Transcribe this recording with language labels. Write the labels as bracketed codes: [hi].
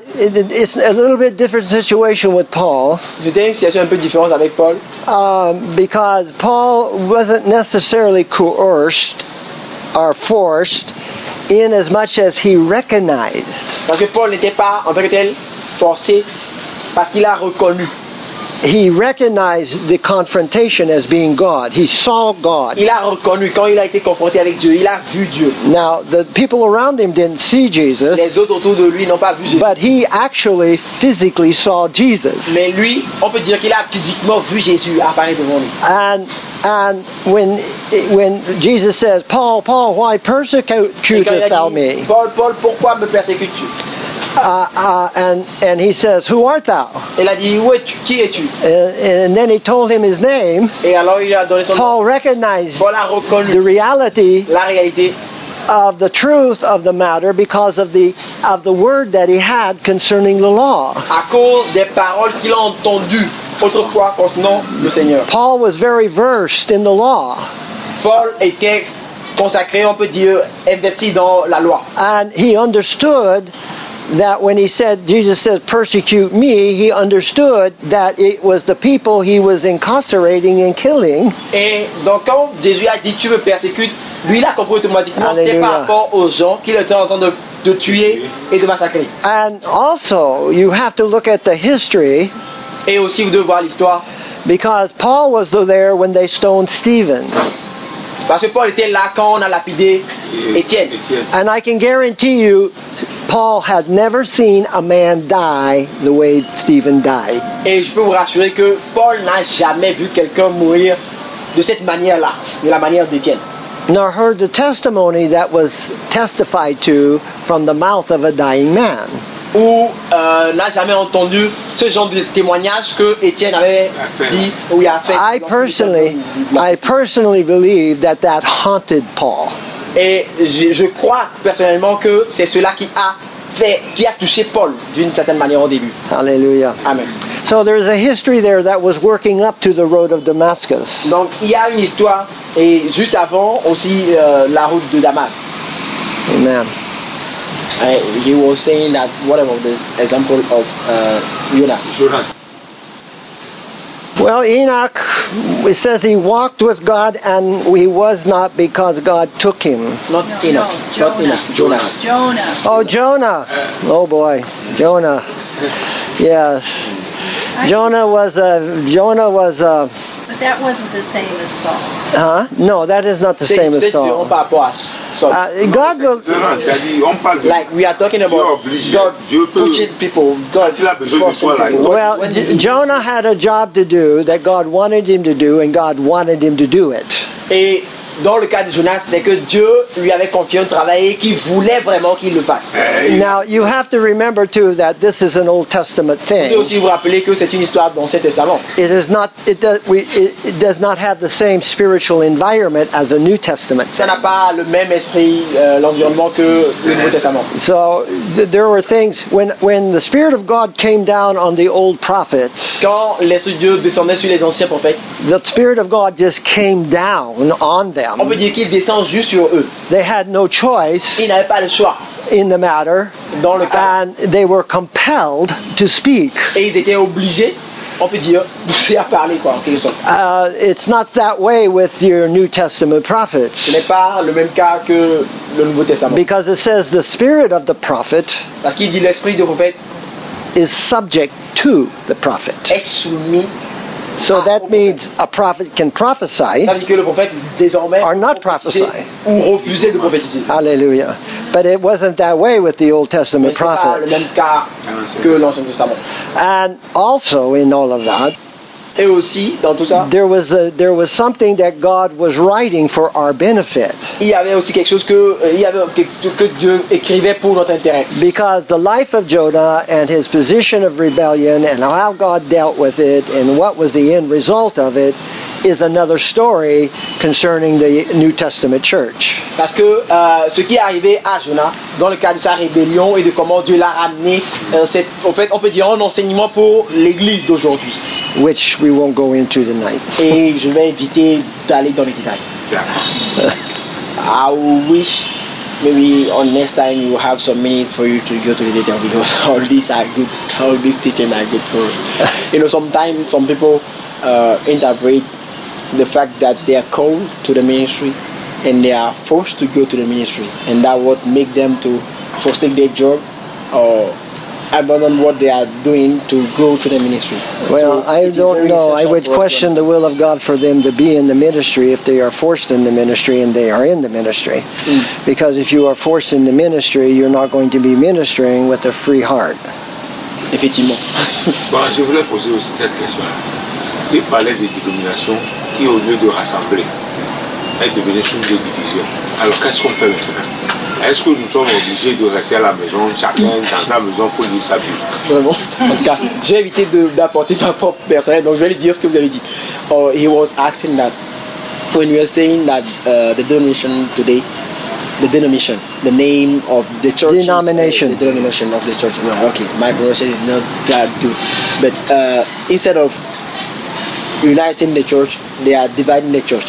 [en] It's a little bit different situation with Paul. [fr] C'était une situation un peu différente avec Paul. [en] Because Paul wasn't necessarily coerced or forced, in as much as he recognized. [fr] Parce que Paul n'était pas en tant que tel forcé, parce qu'il a reconnu. [en] He recognized the confrontation as being God. He saw God. [fr] Il a reconnu quand il a été confronté avec Dieu. Il a vu Dieu. [en] Now the people around him didn't see Jesus. [fr] Les autres autour de lui n'ont pas vu Jésus. [en] But he actually physically saw Jesus. [fr] Mais lui, on peut dire qu'il a physiquement vu Jésus apparaître devant lui. [en] And when Jesus says, "Paul, Paul, why persecutest thou me?" [fr] Paul, Paul, pourquoi me persécutes-tu? [en] And he says, "Who art thou?" [fr] Il a dit, qui es-tu? [en] And then he told him his name. [fr] Et alors il a donné son [en] Paul recognized [fr] Paul a reconnu [en] the reality [fr] la réalité [en] of the truth of the matter because of the word that he had concerning the law. [fr] À cause des paroles qu'il a entendues autrefois concernant le Seigneur. [en] Paul was very versed in the law. [fr] Paul était consacré, on peut dire, investi dans la loi. [en] And he understood that when he said, Jesus said, persecute me, he understood that it was the people he was incarcerating and killing. [fr] Et donc quand Jésus a dit, tu me persécutes, lui il a compris automatiquement, c'était par rapport aux gens qu'il était en train de tuer et de massacrer. [en] And also, you have to look at the history. [fr] Et aussi vous devez voir l'histoire. [en] Because Paul was there when they stoned Stephen. [fr] Parce que Paul était là quand on a lapidé Étienne. [en] And I can guarantee you, Paul had never seen a man die the way Stephen died. [fr] Et je peux vous rassurer que Paul n'a jamais vu quelqu'un mourir de cette manière-là, de la manière d'Étienne. [en] Nor heard the testimony that was testified to from the mouth of a dying man. [fr] Ou n'a jamais entendu ce genre de témoignage que Étienne avait dit ou a fait. [en] I personally believe that haunted Paul. [fr] Et je crois personnellement que c'est cela qui a touché Paul d'une certaine manière au début. Alléluia. Amen. [en] So there is a history there that was working up to the road of Damascus. [fr] Donc il y a une histoire et juste avant aussi la route de Damas. Amen. [en] You were saying that whatever the example of Jonas. Well, Enoch, it says he walked with God and he was not because God took him. Not no, Enoch. No, Jonah. Not Enoch. Jonah. Jonah. Oh, Jonah. Oh, boy. Jonah. Yes. Jonah was a... But that wasn't the same as Saul. Huh? No, that is not the same as Saul. God will... Like, we are talking about God pushing people. God forcing people. Well, Jonah had a job to do that God wanted him to do, and God wanted him to do it. [fr] Et dans le cas de Jonas, c'est que Dieu lui avait confié un travail et qu'il voulait vraiment qu'il le fasse. [en] Now, you have to remember too that this is an Old Testament thing. [fr] Vous devez aussi vous rappeler que c'est une histoire d'Ancien Testament. [en] It does not have the same spiritual environment as a New Testament. [fr] Ça n'a pas le même esprit, l'environnement que le Nouveau Testament. [en] So, there were things, when the Spirit of God came down on the old prophets, [fr] quand l'Esprit de Dieu descendait sur les anciens prophètes, [en] the Spirit of God just came down on them. [fr] On peut dire qu'ils descendent juste sur eux. [en] They had no choice. [fr] Ils n'avaient pas le choix. [en] In the matter. [fr] Dans le cas. [en] And they were compelled to speak. [fr] Et ils étaient obligés. On peut dire poussés à parler quoi. En quelque sorte. [en] It's not that way with your New Testament prophets. [fr] Ce n'est pas le même cas que le Nouveau Testament. [en] Because it says the spirit of the prophet. [fr] Parce qu'il dit l'esprit du prophète. [en] Is subject to the prophet. [fr] Est soumis. [en] So that means a prophet can prophesy or not prophesy. Hallelujah. But it wasn't that way with the Old Testament prophets. And also in all of that, [fr] et aussi, dans tout ça, [en] there was something that God was writing for our benefit. [fr] Il y avait aussi quelque chose que Dieu écrivait pour notre intérêt. [en] Because the life of Jonah and his position of rebellion and how God dealt with it and what was the end result of it is another story concerning the New Testament church. [fr] Parce que ce qui est arrivé à Jonah dans le cadre de sa rébellion et de comment Dieu l'a ramené, c'est en fait on peut dire un enseignement pour l'Église d'aujourd'hui. [en] Which we won't go into tonight. [fr] Et je vais éviter d'aller dans les détails. [en] Yeah. I wish maybe on next time you have some minutes for you to go to the details because all these are good, all these teachings are good for you. You know, sometimes some people interpret the fact that they are called to the ministry and they are forced to go to the ministry, and that what make them to forsake their job or abandon what they are doing to go to the ministry. Well, so I don't know. I would question the will of God for them to be in the ministry if they are forced in the ministry and they are in the ministry. Mm. Because if you are forced in the ministry, you're not going to be ministering with a free heart. [fr] Effectivement. Bon, je voulais poser aussi cette question. Il parlait de dénomination qui, au lieu de rassembler, est devenue source de division. Alors, qu'est-ce qu'on fait maintenant? Est-ce que nous sommes obligés de rester à la maison, chacun dans sa maison, pour lire sa Bible? Vraiment? En tout cas, j'ai évité d'apporter ma propre personnelle, donc je vais lui dire ce que vous avez dit. [en] He was asking that, when you were saying that the donation today, The denomination, the name of the church. Denomination. The denomination of the church. No, okay, my pronunciation is not that good. But instead of uniting the church, they are dividing the church.